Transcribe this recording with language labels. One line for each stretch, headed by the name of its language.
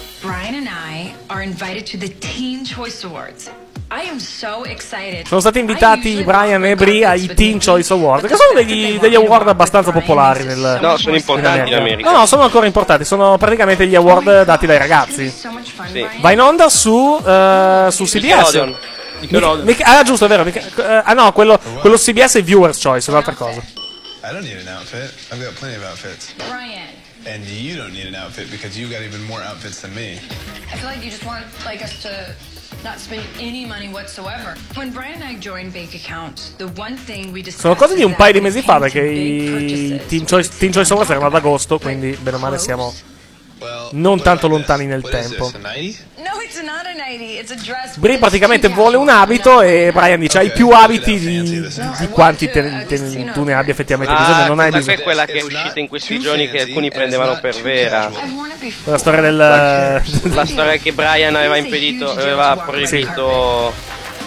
English: Brian and I are invited to the Teen Choice Awards. I am so excited.
Italian: Sono stati invitati Brian e Brie ai Teen Choice Awards, che sono degli award abbastanza popolari nel. No, sono importanti in America. No, no, sono ancora importanti. Sono praticamente gli award dati dai ragazzi. Sì. Va in onda su su CBS. Ah, giusto, è vero. Ah no, quello CBS è Viewer's Choice, è un'altra cosa.
English: I don't need an outfit. I've got plenty of outfits. Brian. And you don't need an outfit because you got even more outfits than me. I feel like you just want like us to not spend any money whatsoever. When Brian and I joined bank accounts, the one thing we discussed.
Italian: Sono cose di un paio di mesi fa, perché i Teen Choice Awards erano ad agosto, quindi bene o male siamo non tanto lontani nel tempo.
English: No, it's not a nighty, it's a dress.
Italian: Brian praticamente vuole un abito e Brian dice: hai più abiti di quanti tu ne abbia effettivamente bisogno. Non hai bisogno. Ma è quella che è uscita in questi giorni, che alcuni prendevano per vera. La storia del. La storia che Brian aveva impedito, aveva proibito.